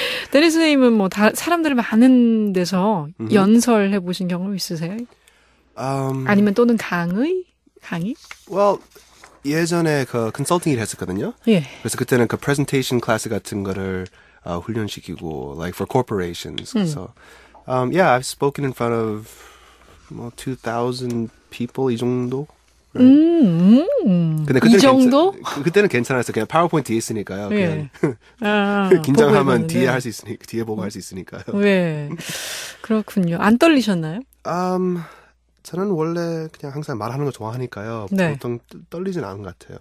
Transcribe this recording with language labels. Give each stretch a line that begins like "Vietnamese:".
Korean: 데니 선생님은 뭐 다 사람들 많은 데서 mm-hmm. 연설해 보신 경험 있으세요? 아니면 또는 강의? Well, 예전에 그 컨설팅을 했었거든요. 예. 그래서 그때는 그 프레젠테이션 클래스 같은 거를 훈련시키고
English: like for corporations. So, yeah, I've spoken in front of
Korean: 뭐
English: 2,000 people
Korean: 이 정도.
English: Right?
Korean: 근데 이 정도? 그때는 괜찮았어. 그냥 파워포인트 뒤에 있으니까요. 예. 그냥 긴장하면 뒤에 할 수 있으니까 뒤에 보고 할 수 있으니까요. 네, 그렇군요. 안 떨리셨나요? 저는 원래 그냥 항상 말하는 거 좋아하니까요. 네. 보통 떨리진 않은 것 같아요.